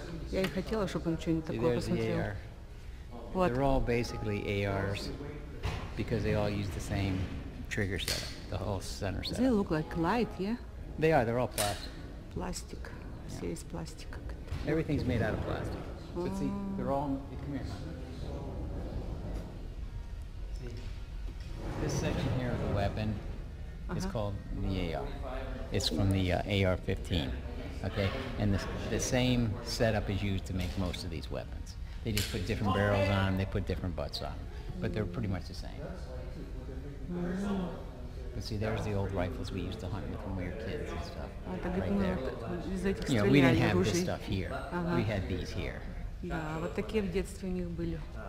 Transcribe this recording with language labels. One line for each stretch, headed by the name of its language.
Russian: Я и хотела, чтобы он что-нибудь такое посмотрел.
English: What? They're all basically ARs because they all use the same trigger setup, the whole center setup. They look like light, yeah? They are, they're all plastic. Plastic. See, it's plastic. Everything's made out of plastic. But see, they're all... Come here. See, this section here of the weapon is called the AR. It's from the AR-15, okay? And the same setup is used to make most of these weapons. They just put different barrels on them, they put different butts on them. But they're pretty much the same. Mm-hmm. But see, there's the old rifles we used to hunt with when we were kids and stuff. Right there. You know, we didn't have this stuff here. Uh-huh. We had these here.
Russian: Yeah, вот такие в детстве у них были.